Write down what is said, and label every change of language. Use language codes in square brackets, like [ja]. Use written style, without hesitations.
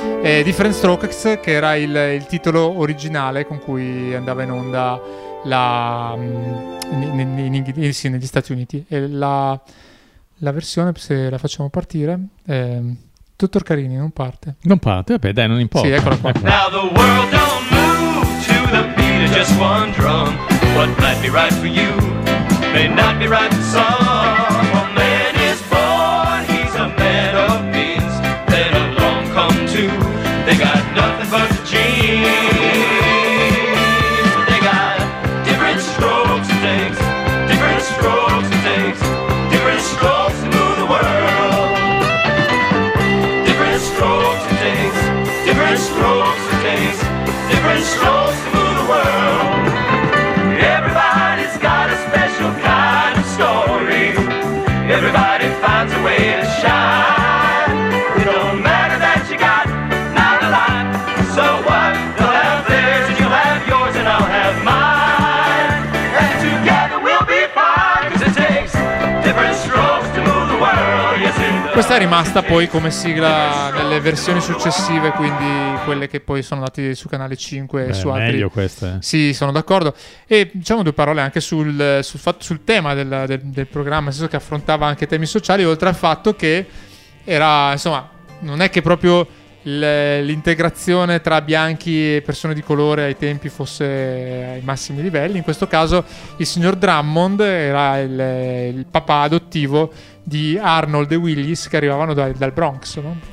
[it] Different Strokes, che era il titolo originale con cui andava in onda la negli Stati Uniti. E la versione, se la facciamo partire... Dottor Carini, non parte. Non parte? Vabbè, dai, non importa. Sì, eccola qua. [en] Now the world don't move to the beat of just one drum. What might be right for you may not be right for some. A man is born, he's a man of means. Then along come two, they got nothing but the genes. They got different strokes and takes, different strokes and takes, different strokes to move the world. Different strokes to move the world. Everybody's got a special kind of story. Everybody finds a way to shine. It don't matter that you got not a lot. So what? They'll have theirs and you'll have yours and I'll have mine. And together we'll be fine. Cause it takes different strokes to move the world. [it] Yes, questa è rimasta poi come sigla nelle versioni successive, quindi quelle che poi sono andate su Canale 5 e su altri. Meglio queste. Sì, sono d'accordo. E diciamo due parole anche sul tema del programma, nel senso che affrontava anche temi sociali, oltre al fatto che era, insomma, non è che proprio l'integrazione tra bianchi e persone di colore ai tempi fosse ai massimi livelli. In questo caso il signor Drummond era il papà adottivo di Arnold e Willis, che arrivavano dal Bronx, no?